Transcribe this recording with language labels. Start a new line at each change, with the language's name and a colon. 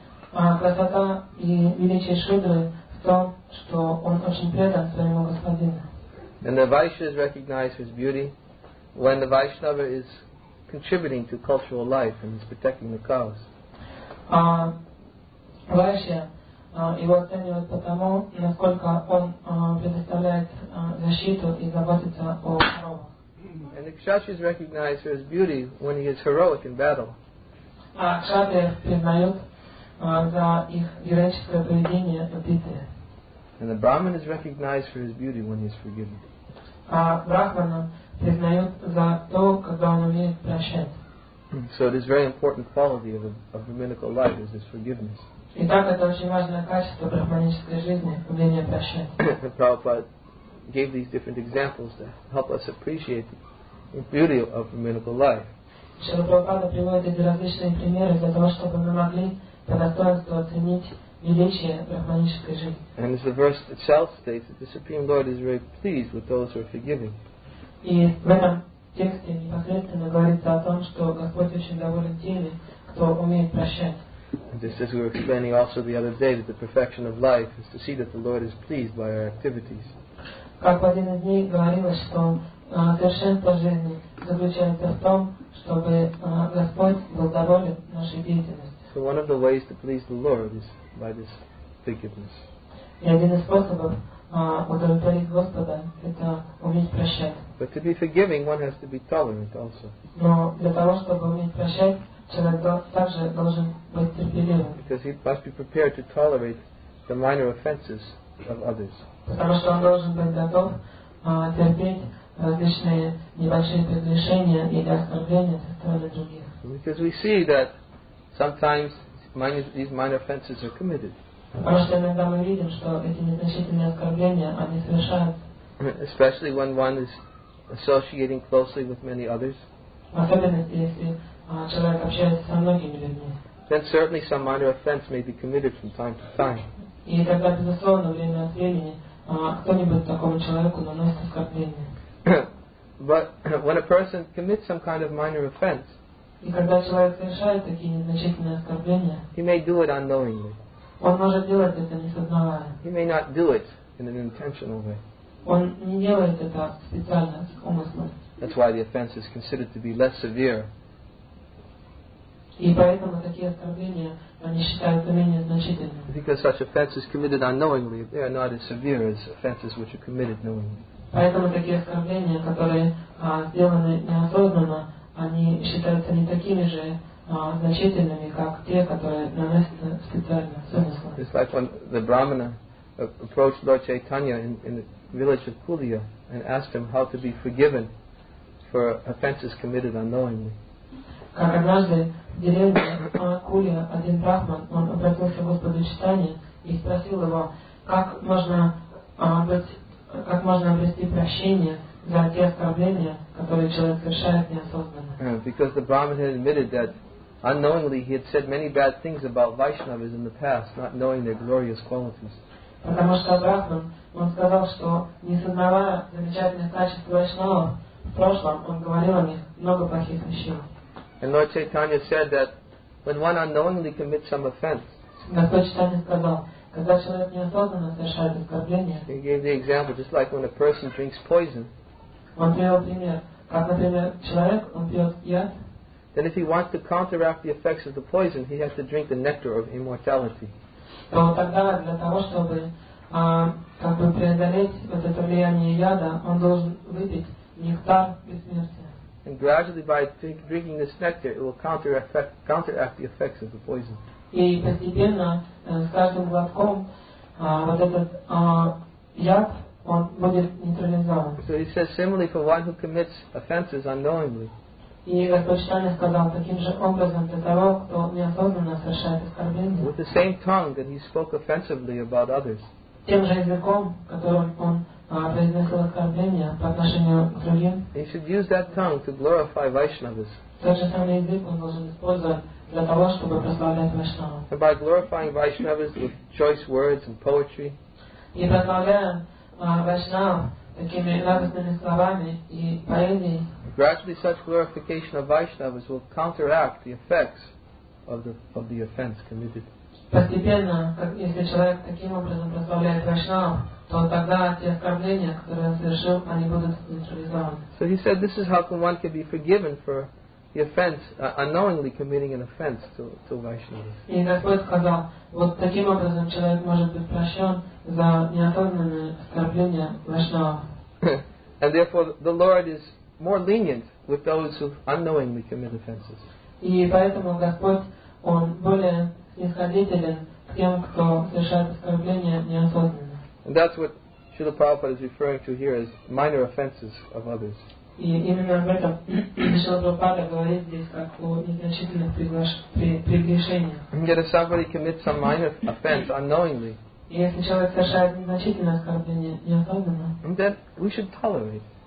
Russian: Красота и величие Шудры в том, что он очень предан своему господину.
English: And the Vaishnava is recognized for his beauty when the Vaishnava is contributing to cultural life and is protecting the cause.
Russian: Его оценивают потому, насколько он предоставляет защиту и заботится о коровах.
English: And the Kshatriya is recognized for his beauty when he is heroic in battle.
Russian: Кшатрия признают за их героическое поведение в битве.
English: And the Brahmin is recognized for his beauty when he is forgiven.
Russian: А брахмана признают за то, когда он умеет прощать.
English: So it is very important quality of brahminical life is this forgiveness.
Russian: Итак, это очень важное качество брахманической жизни, умение прощать.
English: Prabhupada gave these different examples to help us appreciate the beauty of brahminical life.
Russian: Шрила Прабхупада приводит эти различные примеры для того, чтобы мы могли по достоинству оценить
English: And as the verse itself states, that the Supreme Lord is very pleased with those who are forgiving.
Russian: И в этом тексте непосредственно говорится о том, что Господь очень доволен теми, кто умеет прощать.
English: Just as we were explaining also the other day, that the perfection of life is to see that the Lord is pleased by our activities.
Russian: Как в один из дней говорилось, что совершенство жизни заключается в том, чтобы Господь был доволен нашей деятельностью.
English: So one of the ways to please the Lord is by this forgiveness.
Russian: И один из способов удовлетворить Господа – это уметь прощать.
English: But to be forgiving, one has to be tolerant also.
Russian: Но для того, чтобы уметь прощать, человек также должен быть терпеливым.
English: Because he must be prepared to tolerate the minor offenses of others.
Russian: Потому что он должен быть готов терпеть различные небольшие прегрешения или оскорбления со стороны других.
English: Because we see that sometimes these minor offenses are committed.
Russian: Потому что иногда мы видим, что эти незначительные оскорбления, они совершаются.
English: Especially when one is associating closely with many others.
Russian: Особенно если человек общается со многими людьми.
English: Then certainly some minor offense may be committed from time to time.
Russian: И тогда, безусловно, время от времени кто-нибудь такому человеку наносит оскорбление.
English: But when a person commits some kind of minor offense,
Russian: и когда человек совершает такие незначительные оскорбления,
English: he may do it unknowingly.
Russian: Он может делать это, не сознавая.
English: He may not do it in an intentional way.
Russian: Он не делает это специально, с умыслом.
English: That's why the offense is considered to be less severe.
Russian: И поэтому такие оскорбления, они считаются менее значительными.
English: Because such offenses committed unknowingly, they are not as severe as offenses which are committed knowingly.
Russian: Поэтому такие оскорбления, которые сделаны неосознанно, они считаются не такими же значительными, как те, которые наносятся специально, с умыслом.
English: It's like when the Brahmana approached Lord Chaitanya in the village of Puliya and asked him how to be forgiven for offenses committed unknowingly.
Russian: Как однажды в деревне Кулия один брахман, он обратился к Господу Читания и спросил его, как можно обрести прощение за те оскорбления, которые человек совершает неосознанно.
English: Because the Brahmin had admitted that unknowingly he had said many bad things about Vaishnavas in the past, not knowing their glorious qualities.
Russian: Потому что брахман, он сказал, что не сознавая замечательных качеств Вайшнава, в прошлом он говорил о них много плохих вещей.
English: And Lord Chaitanya said that when one unknowingly commits some offense,
Russian: Господь Читания сказал, когда человек неосознанно совершает оскорбление,
English: he gave the example, just like when a person drinks poison,
Russian: он привел пример, как, например, человек, он пьет яд,
English: then if he wants to counteract the effects of the poison, he has to drink the nectar of immortality.
Russian: То тогда для того, чтобы преодолеть вот это влияние яда, он должен выпить нектар бессмертия.
English: And gradually by drinking this nectar, it will counteract the effects of the poison.
Russian: И постепенно, с каждым глотком, вот этот яд, он будет нейтрализован.
English: So he says similarly for one who commits offenses unknowingly.
Russian: И Господь Читания сказал таким же образом для того, кто неосознанно совершает оскорбление.
English: With the same tongue that he spoke offensively about others.
Russian: Тем же языком, которым он произносил оскорбления по отношению к другим.
English: He should use that tongue to glorify Vaishnavas.
Russian: Тот же самый язык он должен использовать для того, чтобы прославлять Вайшнавов.
English: And by glorifying Vaishnavas with choice words and poetry.
Russian: И прославляя Вайшнавов такими радостными словами и поэзией.
English: Gradually such glorification of Vaishnavas will counteract the effects of the offense committed.
Russian: Постепенно, если человек таким образом прославляет Вайшнавов, то тогда те оскорбления, которые он совершил, они будут нейтрализованы.
English: So he said, this is how one can be forgiven for the offense, unknowingly committing an offense to Vaishnavas.
Russian: И Господь сказал, вот таким образом человек может быть прощен за неосознанное оскорбление Вайшнава.
English: And therefore, the Lord is more lenient with those who unknowingly commit offenses.
Russian: И поэтому Господь, он более снисходителен к тем, кто совершает оскорбления неосознанно.
English: And that's what Srila Prabhupada is referring to here as minor offenses of others. And yet if somebody commits some minor offense unknowingly, then we should tolerate.